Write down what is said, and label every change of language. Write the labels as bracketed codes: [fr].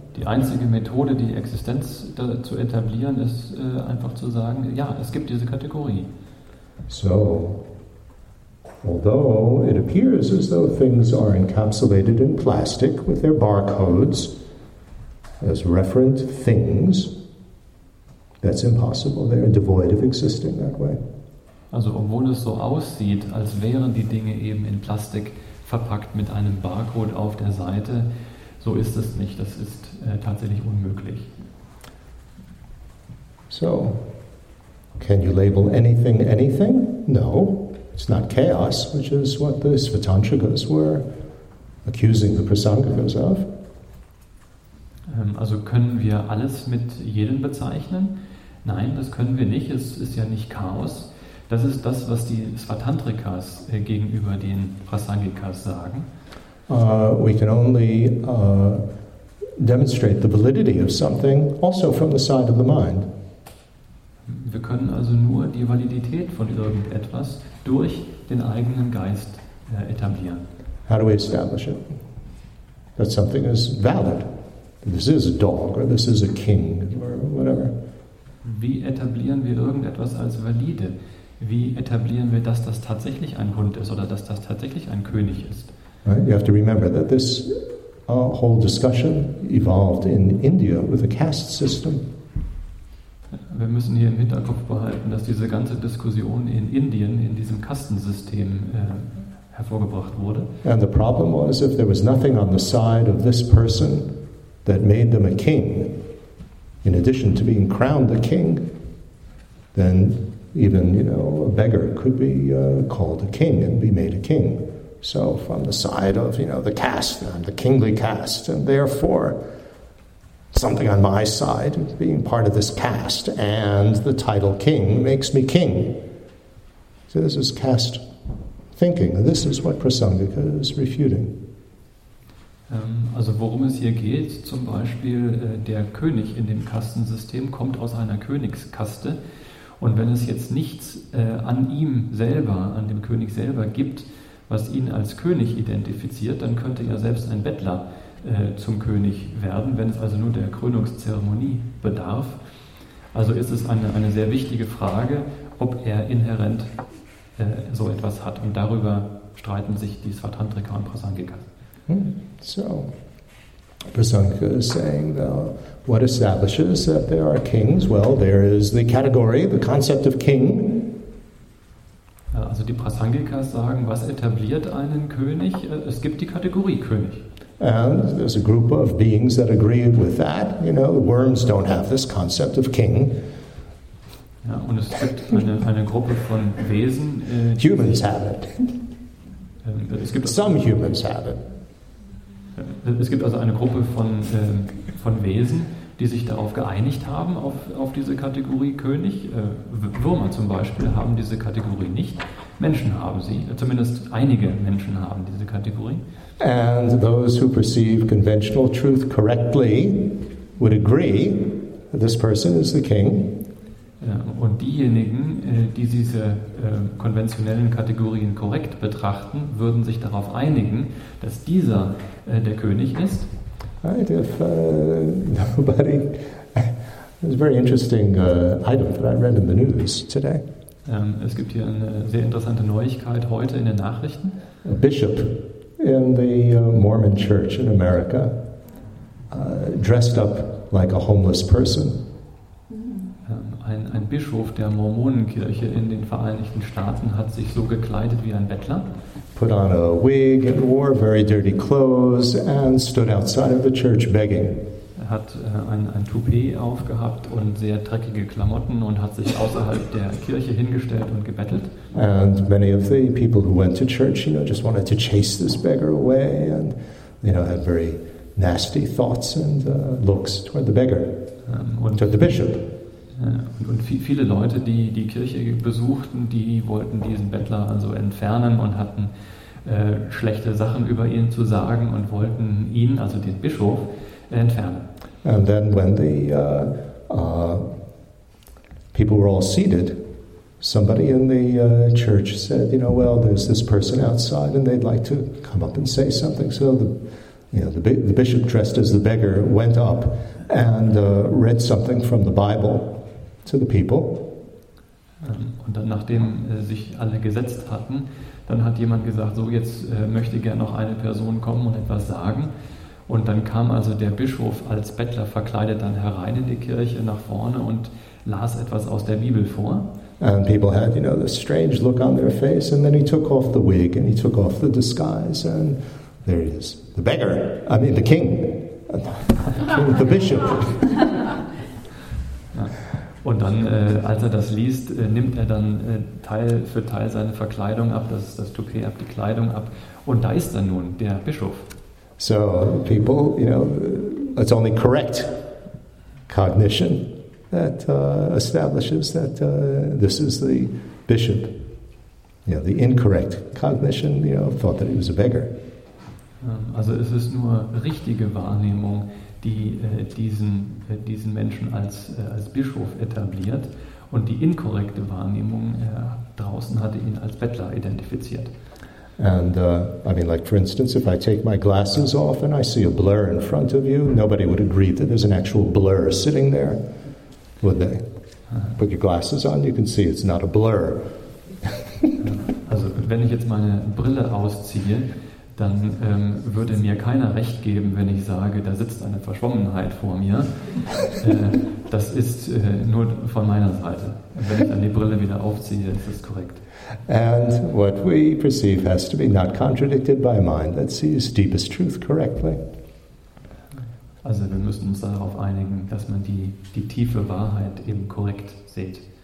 [de] Die einzige Methode, die Existenz zu etablieren, ist einfach zu sagen, ja, es gibt diese Kategorie. [en] So, although it appears as though things are encapsulated in plastic with their barcodes as referent things, that's impossible. They are devoid of existing that way. [de] Also obwohl es so aussieht, als wären die Dinge eben in Plastik verpackt mit einem Barcode auf der Seite, so ist es nicht. Das ist tatsächlich unmöglich. [en] So, can you label anything anything? No, it's not chaos, which is what the Svatantrikas were accusing the Prasangikas of. [de] Also können wir alles mit jedem bezeichnen? Nein, das können wir nicht. Es ist ja nicht Chaos. Das ist das, was die Svatantrikas gegenüber den Prasangikas sagen. [en] We can only demonstrate the validity of something also from the side of the mind. [de] Wir können also nur die Validität von irgendetwas durch den eigenen Geist etablieren. [en] How do we establish it? That something is valid. This is a dog or this is a king or whatever. [de] Wie etablieren wir irgendetwas als valide? Wie etablieren wir, dass das tatsächlich ein Hund ist oder dass das tatsächlich ein König ist? [en] Right? You have to remember that this whole discussion evolved in India with a caste system. [de] Wir müssen hier im Hinterkopf behalten, dass diese ganze Diskussion in Indien in diesem Kastensystem hervorgebracht wurde. [en] And the problem was, if there was nothing on the side of this person that made them a king, in addition to being crowned a king, then even, you know, a beggar could be called a king and be made a king. So from the side of, you know, the caste, I'm the kingly caste, and therefore something on my side, being part of this caste, and the title king makes me king. So this is caste thinking. This is what Prasangika is refuting. [de] Also worum es hier geht, zum Beispiel der König in dem Kastensystem kommt aus einer Königskaste, und wenn es jetzt nichts an ihm selber, an dem König selber gibt, was ihn als König identifiziert, dann könnte ja selbst ein Bettler zum König werden, wenn es also nur der Krönungszeremonie bedarf. Also ist es eine sehr wichtige Frage, ob er inhärent so etwas hat, und darüber streiten sich die Svatantrika und Prasangika. [en] So, Prasangika is saying what establishes that there are kings? Well, there is the category, the concept of king. [de] Also die Prasangikas sagen, was etabliert einen König? Es gibt die Kategorie König. [en] And there's a group of beings that agree with that. You know, the worms don't have this concept of king. [de] Ja, und es gibt eine Gruppe von Wesen. [en] Humans have it. [de] Es gibt [en] some humans have it. [de] Es gibt also eine Gruppe von Wesen, die sich darauf geeinigt haben, auf diese Kategorie König. Würmer zum Beispiel haben diese Kategorie nicht. Menschen haben sie. Zumindest einige Menschen haben diese Kategorie. [en] And those who perceive conventional truth correctly would agree that this person is the king. [de] Und diejenigen, die diese konventionellen Kategorien korrekt betrachten, würden sich darauf einigen, dass dieser der König ist. [en] Right, if nobody, it's a very interesting item that I read in the news today. [de] Es gibt hier eine sehr interessante Neuigkeit heute in den Nachrichten. [en] A bishop in the Mormon Church in America dressed up like a homeless person. [de] Ein Bischof der Mormonenkirche in den Vereinigten Staaten hat sich so gekleidet wie ein Bettler. [en] Put on a wig and wore very dirty clothes and stood outside of the church begging. [de] Er hat ein Toupet aufgehabt und sehr dreckige Klamotten und hat sich außerhalb der Kirche hingestellt und gebettelt. [en] And many of the people who went to church, you know, just wanted to chase this beggar away and, you know, had very nasty thoughts and looks toward the beggar, toward the bishop. [de] Und viele Leute, die die Kirche besuchten, die wollten diesen Bettler also entfernen und hatten schlechte Sachen über ihn zu sagen und wollten ihn, also den Bischof, entfernen. [en] And then when the people were all seated, somebody in the church said, you know, well, there's this person outside and they'd like to come up and say something. So the bishop dressed as the beggar went up and read something from the Bible. To the people. [de] Und dann, nachdem sich alle gesetzt hatten, dann hat jemand gesagt, so, jetzt möchte gerne noch eine Person kommen und etwas sagen. Und dann kam also der Bischof als Bettler verkleidet dann herein in die Kirche nach vorne und las etwas aus der Bibel vor. [en] And people had, you know, this strange look on their face, and then he took off the wig and he took off the disguise and there he is, the beggar, I mean the king, the bishop. [de] Und dann, als er das liest, nimmt er dann Teil für Teil seine Verkleidung ab, das Toupet ab, die Kleidung ab, und da ist dann nun der Bischof. [en] So, people, you know, it's only correct cognition that establishes that this is the bishop. You know, the incorrect cognition, you know, thought that he was a beggar. [de] Also es ist nur richtige Wahrnehmung, die diesen Menschen als Bischof etabliert, und die inkorrekte Wahrnehmung draußen hatte ihn als Bettler identifiziert. [en] And I mean, like for instance, if I take my glasses off and I see a blur in front of you, nobody would agree that there's an actual blur sitting there, would they? Put your glasses on, you can see it's not a blur. [de] Also wenn ich jetzt meine Brille ausziehe, dann würde mir keiner recht geben, wenn ich sage, da sitzt eine Verschwommenheit vor mir. Das ist nur von meiner Seite. Wenn ich dann die Brille wieder aufziehe, ist das korrekt. [en] And what we perceive has to be not contradicted by a mind that sees deepest truth correctly. [de] Also wir müssen uns darauf einigen, dass man die tiefe Wahrheit eben korrekt sieht.